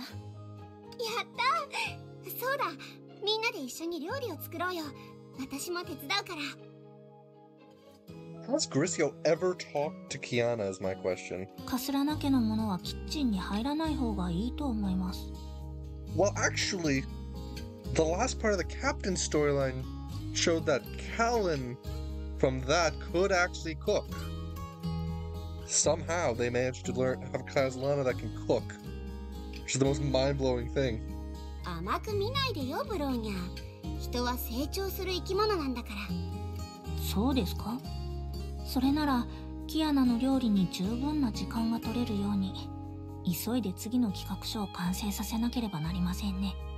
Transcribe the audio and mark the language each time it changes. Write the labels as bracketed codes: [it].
[ja] やった、そうだ、みんなで一緒に料理を作ろうよ。私も手伝うから。 [en] Has Grisio ever talked to Kiana is my question. [ja] カスラナ家のものはキッチンに入らない方がいいと思います。 [en] Well, actually, the last part of the captain storyline showed that Callan from that could actually cook. Somehow they managed to learn have a Kazlana that can cook, which is the most mind-blowing thing. [ja] 甘く見ないでよ、ブローニャ。人は成長する生き物なんだから。そうですか。それなら、キアナの料理に十分な時間が取れるように、急いで次の企画書を完成させなければなりませんね。